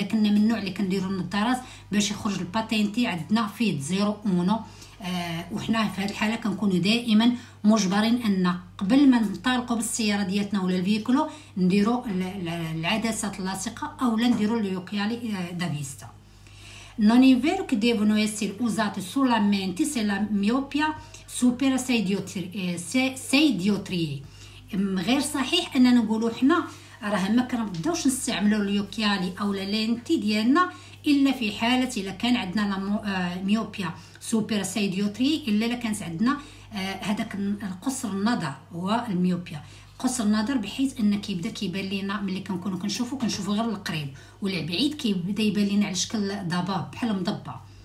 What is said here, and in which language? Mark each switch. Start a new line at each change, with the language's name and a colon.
Arabic: الا كنا من النوع اللي كنديرو النظارات باش يخرج الباتينتي عندنا فيه 0 و 1، وحنا في هذه الحاله كنكونوا دائما مجبرين ان قبل ما ننطلقوا بالسياره ديالتنا ولا الفيكلو نديروا العدسات اللاصقه اولا نديروا اليوكيالي دافيستا.
Italian: Non è vero che devono essere usate solamente se la miopia supera 6 diotrie.
Arabic: غير صحيح اننا نقولوا حنا راه ما كنبداوش نستعملوا اليوكيالي او لينتي ديالنا الا في حاله الا كان عندنا
Italian: ميوبيا سوبر سايديوتري،
Arabic: الا الا كانت عندنا هذاك قصر النظر هو الميوبيا قصر النظر، بحيث ان كيبدا كيبان لينا ملي كنكونوا كنشوفوا كنشوفوا غير القريب، والبعيد كيبدا يبان لينا على شكل ضباب بحال مضبه.